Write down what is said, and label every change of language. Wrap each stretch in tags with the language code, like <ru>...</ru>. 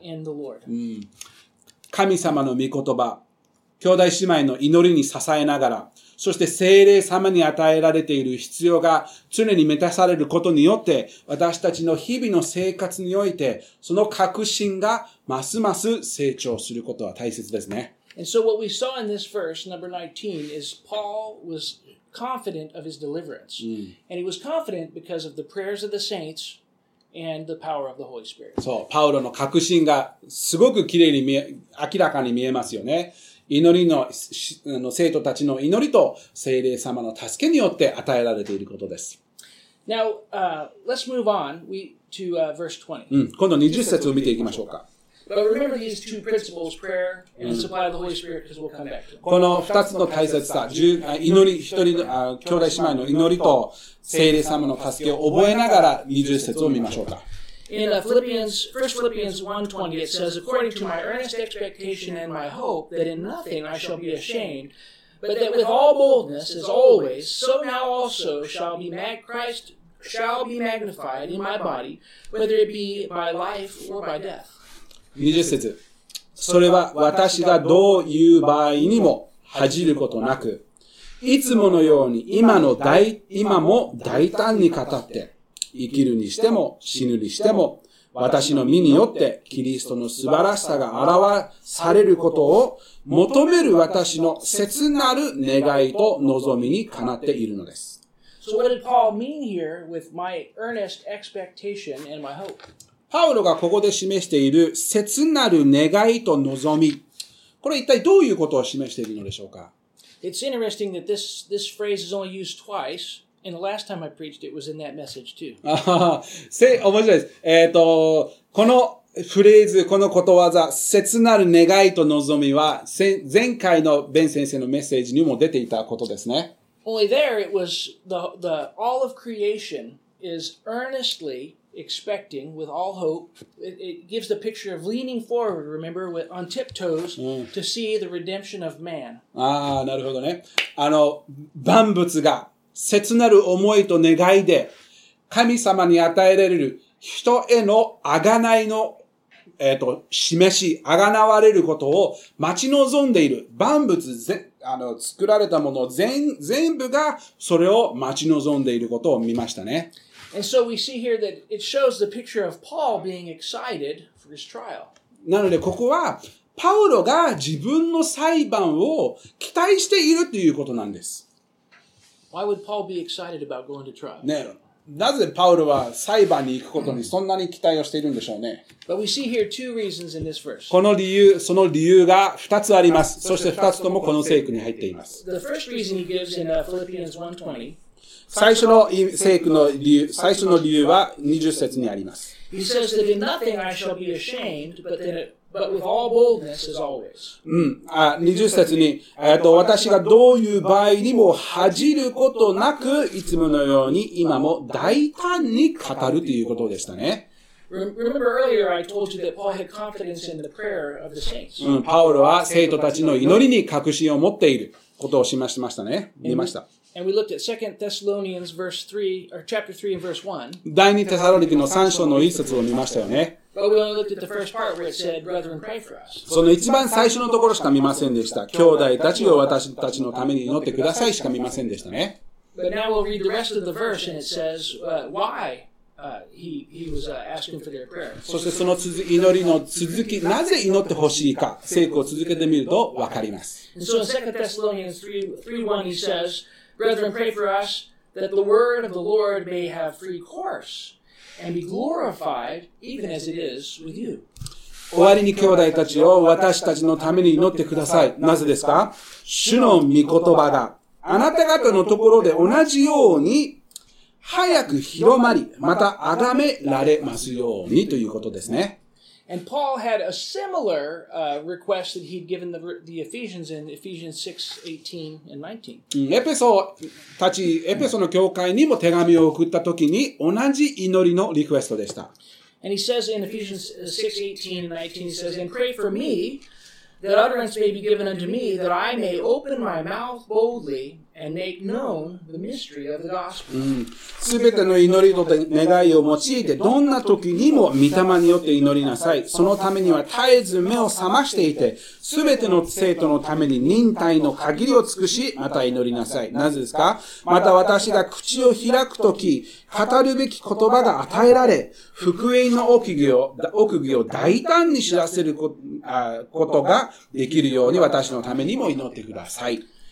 <en>in the Lord.、</en> <ja>神様の御言葉、兄弟姉妹の祈りに支えながら、そして聖霊様に与えられている必要が常に満たされることによって、私たちの日々の生活において、その確信がますます成長することは大切ですね。</ja> <en>And so what we saw in this verse, number 19, is Paul was confident of his deliverance.、And he was confident because of the prayers of the saints and the power of the Holy Spirit.</en> <ja>そう、パウロの確信がすごくきれいに明らかに見えますよね。祈りの、生徒たちの祈りと聖霊様の助けによって与えられていることです。</ja> <en>Now, let's move on to verse 20.</en> <ja>今度20節を見ていきましょうか。</ja> <en>But remember these two principles, prayer and supply of the Holy Spirit, because we'll come back to it.</en> <ja>この二つの大切さ、祈り、一人の、兄弟姉妹の祈りと聖霊様の助けを覚えながら20節を見ましょうか。</ja> <en>In Philippians, 1 Philippians 1:20, it says, "According to my earnest expectation and my hope, that in nothing I shall be ashamed, but that with all boldness, as always, so now also shall be shall be magnified in my body, whether it be by life or by death.</en> <ja>20節。それは私がどういう場合にも恥じることなく、いつものように今も大胆に語って、生きるにしても死ぬにしても、私の身によってキリストの素晴らしさが表されることを求める私の切なる願いと望みにかなっているのです。</ja> <en>So what did Paul mean here with my earnest expectation and my hope?</en> <ja>パウロがここで示している切なる願いと望み、これ一体どういうことを示しているのでしょうか。</ja> <en>It's interesting that this phrase is only used twice, and the last time I preached it was in that message too.</en> <ja>面白いです。このフレーズ、このことわざ、切なる願いと望みは、前回のベン先生のメッセージにも出ていたことですね。</ja> <en>Only there it was the all of creation is earnestly. Expecting with all hope, it gives the picture of leaning forward. Remember, on tiptoes to see the redemption of man.</en> <ja>ああ、なるほどね。万物が切なる思いと願いで神様に与えられる人への贖いの示し、贖われることを待ち望んでいる万物作られたもの全部がそれを待ち望んでいることを見ましたね。</ja> <en>And so we see here that it shows the picture of Paul being excited for his trial.</en> <ja>なのでここはパウロが自分の裁判を期待しているということなんです。</ja> <en>Why would Paul be excited about going to trial?</en> <ja>ね、なぜパウロは裁判に行くことにそんなに期待をしているんでしょうね。</ja> <en>But we see here two reasons in this verse.</en> <ja>この理由、その理由が2つあります。そして2つともこの聖句に入っています。</ja> <en>The first reason he gives in Philippians 1:20.</en> <ja>最初の聖句の理由、最初の理由は20節にあります。</ja> <en>He says that in nothing I shall be ashamed, but with all boldness as always.</en> <ja>20節に、私がどういう場合にも恥じることなく、いつものように今も大胆に語るということでしたね。</ja> <en>Remember earlier I told you that Paul had confidence in the prayer of the saints.</en> <ja>パウロは聖徒たちの祈りに確信を持っていることを示しましたね。言いました。</ja> <en>And we looked at 2 Thessalonians verse 3, or chapter 3 and verse 1.</en> <ja>第2テサロニケの3章の1節を見ましたよね。</ja> <en>But we only looked at the first part where it said, brethren, pray for us.</en> <ja>その一番最初のところしか見ませんでした。兄弟たちを私たちのために祈ってくださいしか見ませんでしたね。</ja> <en>But now we'll read the rest of the verse and it says, why he was asking for their prayer.</en> <ja>そしてその祈りの続き、なぜ祈ってほしいか、聖句を続けてみるとわかります。</ja> <en>And so in 2 Thessalonians 3:1 he says,Brethren, pray for us that the word of the Lord may have free course and be glorified even as it is with you.</en> <ja>終わりに兄弟たちを私たちのために祈ってください。なぜですか？主の御言葉があなた方のところで同じように早く広まり、また崇められますようにということですね。</ja> <en>And Paul had a similar, request that he'd given the Ephesians in Ephesians 6:18 and 19.</en> <ja>エペソの教会にも手紙を送った時に同じ祈りのリクエストでした。</ja> <en>And he says in Ephesians 6:18 and 19, he says, And pray for me, that utterance may be given unto me, that I may open my mouth boldly and make known the mystery of the gospel.</en> <ja>すべての祈りと願いを用いて、どんな時にも御霊によって祈りなさい。そのためには絶えず目を覚ましていて、すべての生徒のために忍耐の限りを尽くし、また祈りなさい。なぜですか？また私が口を開く時、語るべき言葉が与えられ、福音の奥義を大胆に知らせることができるように私のためにも祈ってください。</ja>